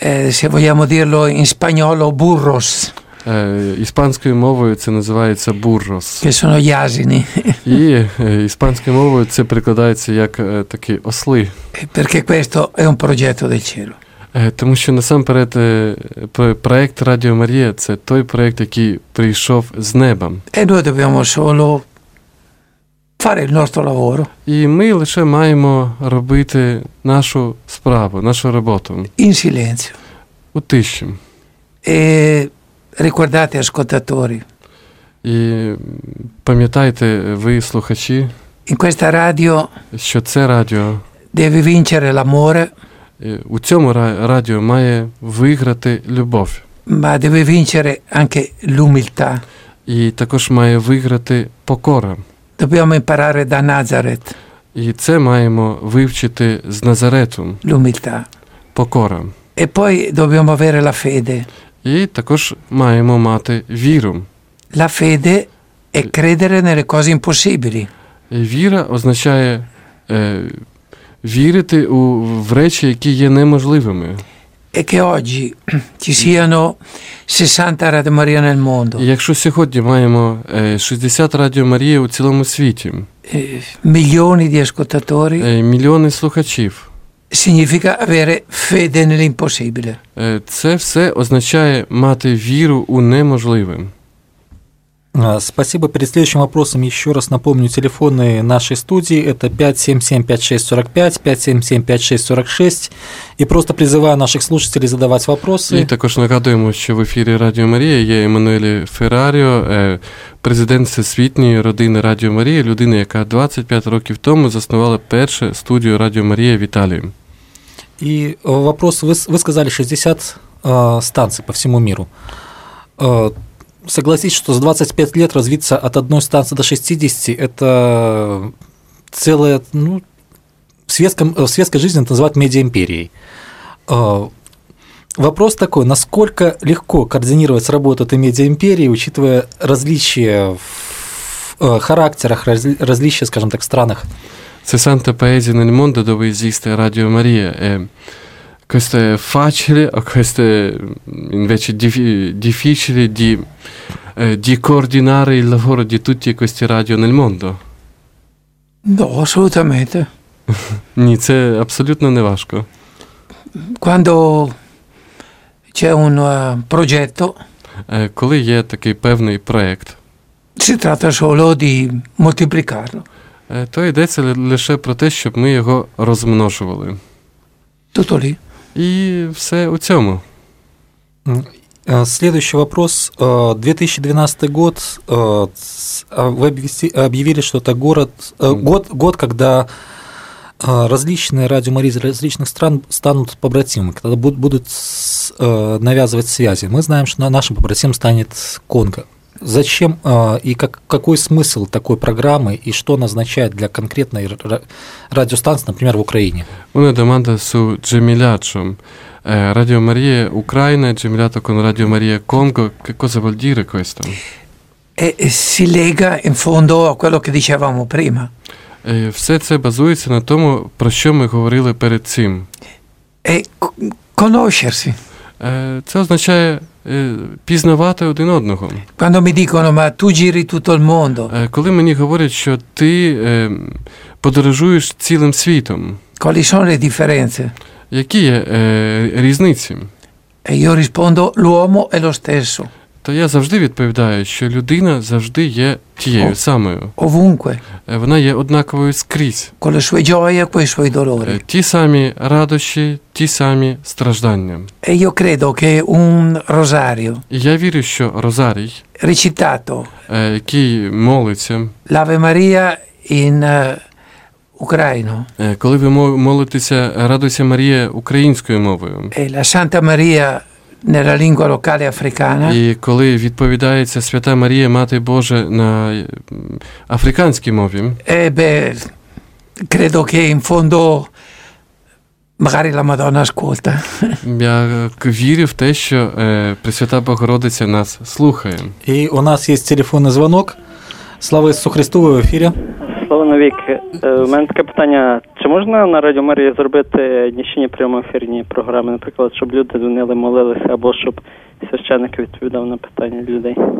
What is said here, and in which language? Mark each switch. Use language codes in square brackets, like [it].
[it] Se vogliamo dirlo in spagnolo, burros. [uk] Іспанською мовою це називається burros. [it] Che sono gli asini. [uk] І іспанською мовою це перекладається як такі осли. [it] Perché questo è un progetto del cielo. [uk] Тому що насамперед проєкт Радіо Марія – це той проєкт, який прийшов з неба. [it] E noi dobbiamo solo fare il nostro lavoro. [uk] І ми лише маємо робити нашу справу, нашу роботу. [it] In silenzio. [uk] У тиші. [it] E... Ricordate, ascoltatori. [uk] І пам'ятайте, ви, слухачі, [it] in questa radio, [uk] що це радіо [it] deve vincere l'amore. [uk] У цьому радіо має виграти любов. [it] Ma deve vincere anche l'umiltà. [uk] І також має виграти покора. [it] Dobbiamo imparare da Nazareth. [uk] І це маємо вивчити з Назарету. [it] L'umiltà. [uk] Покора. [it] E poi dobbiamo avere la fede. [uk] І також маємо мати віру. [it] La fede è credere nelle cose impossibili. [uk] Віра означає вірити в речі, які є неможливими. [it] E che oggi ci siano 60 Radio Maria nel mondo. [uk] І якщо сьогодні маємо 60 Радіо Марії у цілому світі. Мільйони [it] di ascoltatori. [uk] Мільйони слухачів. [it] Significa avere fede nell'impossibile. [uk] Це все означає мати віру у неможливе. [ru] Спасибо. Перед следующим вопросом еще раз напомню, телефоны нашей студии – это 577-5645, 577-5646. И просто призываю наших слушателей задавать вопросы. [uk] И також нагадуємо, що в ефірі Радіо Марія є Еммануелі Феррарио, президент всесвітньої родини Радіо Марія, людина, яка 25 років тому заснувала першу студію Радіо Марія в Італії. [ru] И вопрос, вы сказали 60 станций по всему миру. Согласитесь, что за 25 лет развиться от одной станции до 60 – это целое, ну, в светской жизни это называют медиа-империей. Вопрос такой, насколько легко координировать с работой этой медиа-империи, учитывая различия в характерах, различия, скажем так, в странах? [it] Це Санта Паезі Нель Мондо, де ви зісте Радіо Марія. Questo è facile o questo è invece difficile di coordinare il lavoro di tutti questi radio nel mondo? No, assolutamente. [uk] Ні, це абсолютно не важко. [it] Quando c'è un progetto, [uk] коли є такий певний проєкт, [it] si tratta solo di moltiplicarlo. [uk] То йдеться лише про те, щоб ми його розмножували. [it] Tutto lì. [uk] И все у цьому. [ru] Следующий вопрос. 2012 год. Вы объявили, что это год, когда различные Радио Марии из различных стран станут побратимы, когда будут навязывать связи. Мы знаем, что нашим побратимом станет Конго. Зачем и какой смысл такой программы, и что она означает для конкретной радиостанции, например, в Украине? [it] Вони домандасу джемілячом. Радіо Марія Україна, джемілятокон Радіо Марія Конго, cosa vuol dire questo? Si lega in fondo a quello che dicevamo prima. [uk] Все це базується на тому, про що ми говорили перед цим. [it] Conoscersi. [uk] Це означає пізнавати один одного. [it] Quando mi dicono, ma tu giri tutto il mondo. [uk] Коли мені говорять, що ти подорожуєш цілим світом. [it] Quali sono le differenze? [uk] Які є різниці? [it] E io rispondo, l'uomo è lo stesso. [uk] То я завжди відповідаю, що людина завжди є тією самою. [it] Ovunque. [uk] Вона є однаковою скрізь. [it] Con le sue gioie, con i suoi dolori. [uk] Ті самі радощі, ті самі страждання. [it] E io credo che un rosario. [uk] Я вірю, що розарій. [it] Recitato. [uk] Який молиться. [it] L'Ave Maria in Україну. [uk] Коли ви молитеся Радуйся Марія українською мовою. [it] E la Santa Maria nella lingua locale africana. [uk] І коли відповідається Свята Марія, Мати Божа на африканській мові. [it] Credo che in fondo magari la Madonna ascolta. [uk] Я вірю в те, що Пресвята Богородиця нас слухає. І у нас є телефонний дзвінок. Слава Ісусу Христу, ви в ефірі. Слава навік. У мене таке питання. Чи можна на Радіо Марії зробити ніщені прямоефірні програми, наприклад, щоб люди дзвонили, молилися, або щоб священник відповідав на питання людей?